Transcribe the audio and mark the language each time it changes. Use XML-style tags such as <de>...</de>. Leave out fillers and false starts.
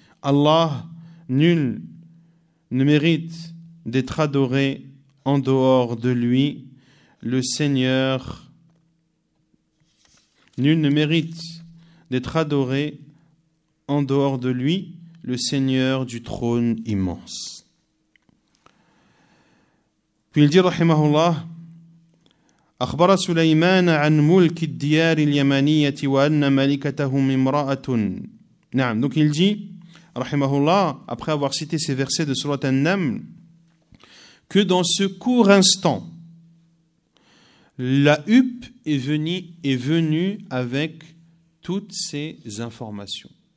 <fr>Allah, nul ne mérite d'être adoré en dehors de lui, le Seigneur, nul ne mérite d'être adoré en dehors de lui, le Seigneur du trône immense. Puis il dit, rahimahullah,</fr> <ar>أخبر سليمان عن ملك الديار اليمانية وأن ملكته امرأة. نعم.</ar> <fr>Donc il dit, rahimahullah, après avoir cité ces versets de Sourate An-Naml, que dans ce court instant, la huppe est venue avec toutes ses informations.</fr>